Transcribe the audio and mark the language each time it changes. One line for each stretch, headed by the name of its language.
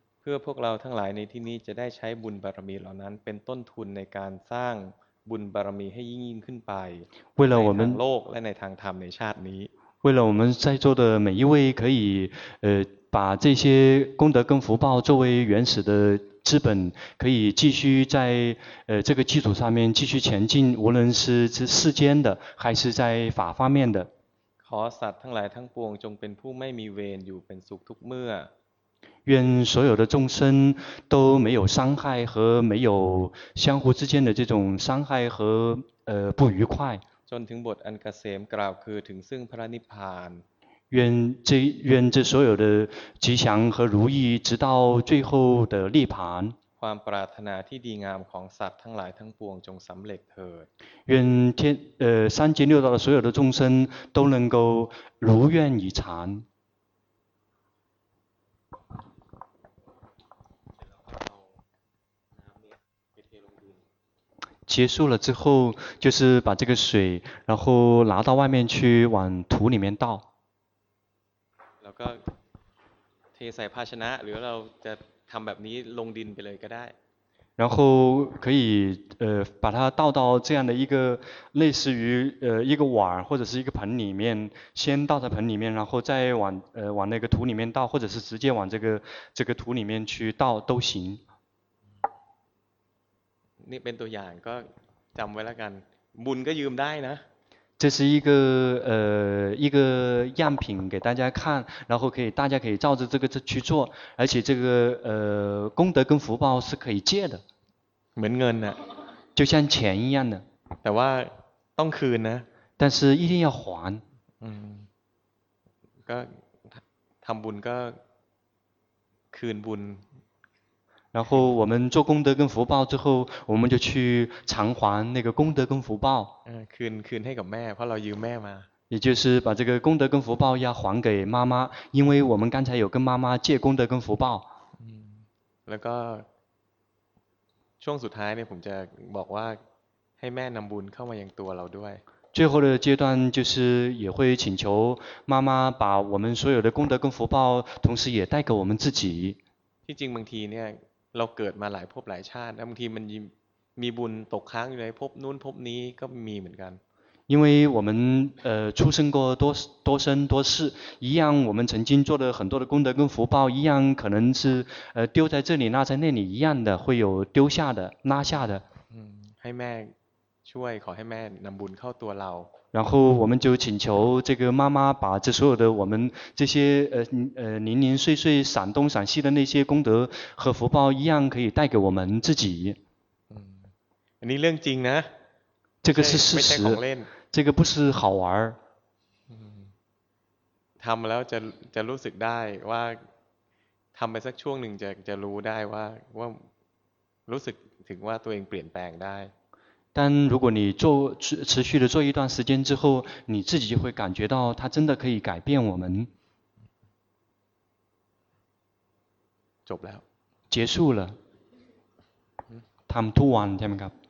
Thai: พื่อพวกเราทั้งหลายในที่นี้จะได้ใช้บุญบารมีเหล่านั้นเป็นต้นทุนในการสร้างบุญบารมีให้ยิ่งยิ่งขึ้นไปในทางโลกและในทางธรรมในชาตินี้
Chinese: 为了我们在座的每一位可以把这些功德跟福报作为原始的资本可以继续在这个基础上面继续前进无论是世间的还是在法方面的
Thai: ขอสัตว์ทั้งหลายทั้งปวงจงเป็นผู้ไม่มีเวรอยู่เป็นสุขทุกเมื่อ
Chinese: 愿所有的众生都没有伤害和没有相互之间的这种伤害和不愉快
Thai: จนถึงบทอันเกษมกล่าวคือถึงซึ่งพระนิพพาน
Chinese: 愿这所有的吉祥和如意直到最后的涅槃
Thai: ความปรารถนาที่ดีงามของสัตว์ทั้งหลายทั้งปวงจงสำเร็จเถิด
Chinese: 愿天三界六道的所有的众生都能够如愿以偿结束了之后就是把这个水然后拿到外面去往土里面倒
Thai: แล้วก็เทใส่ภาชนะหรือเราจะทำแบบนี้ลงดินไปเลยก็ได้
Chinese: 然后可以把它倒到这样的一个类似于一个碗或者是一个盆里面先倒在盆里面然后再往那个土里面倒或者是直接往这个土里面去倒都行
Thai: นี่เป็นตัวอย่างก็จำไว้แล้วกันบุญก็ยืมได้นะ
Chinese: 这是一个样品给大家看然后可以大家可以照着这个去做而且这个功德跟福报是可以借的
Thai: เหมือนเงินนะ
Chinese: 就像钱一样的
Thai: แต่ว่าต้องคืนนะ
Chinese: 但是一定要还
Thai: ก็ทำบุญก็คืนบุญ
Chinese: 然后我们做功德跟福报之后我们就去偿还那个功德跟福报
Thai: คืนให้กับแม่เพราะเรายืมแม่มา
Chinese: 也就是把这个功德跟福报要还给妈妈因为我们刚才有跟妈妈借功德跟福报
Thai: แล้วก็ช่วงสุดท้ายเนี่ยผมจะบอกว่าให้แม่นำบุญเข้ามายังตัวเราด้วย
Chinese: 最后的阶段就是也会请求妈妈把我们所有的功德跟福报同时也带给我们自己
Thai: ที่จริงบางทีเนี่ยเราเกิดมาหลายภพหลายชาติแล้วบางทีมันมีบุญตกค้างอยู่ในภพนู้นภพนี้ก็มีเหมือนกัน
Chinese: 因为我们出生过多生多世一样我们曾经做了很多的功德跟福报一样可能是丢在这里拉在那里一样的会有丢下的拉下的
Thai: ให้แม่ช่วยขอให้แม่นำบุญเข้าตัวเรา
Chinese: 然后我们就请求这个妈妈把这所有的我们这些零零碎碎闪东闪西的那些功德和福报一样可以带给我们自己。嗯，你认真呢？这个是事实，这个不是好玩儿。
Thai: 嗯，ทำแล้วจะรู้สึกได้ว่าทำไปสักช่วงหนึ่งจะรู้ได้ว่ารู้สึกถึงว่าตัวเองเปลี่ยนแปลงได้
Chinese: 但如果你做持续的做一段时间之后，你自己就会感觉到它真的可以改变我们。
Thai: จบแล้ว
Chinese: 结束了。
Thai: ทำทุกวันใช่ไหมครับ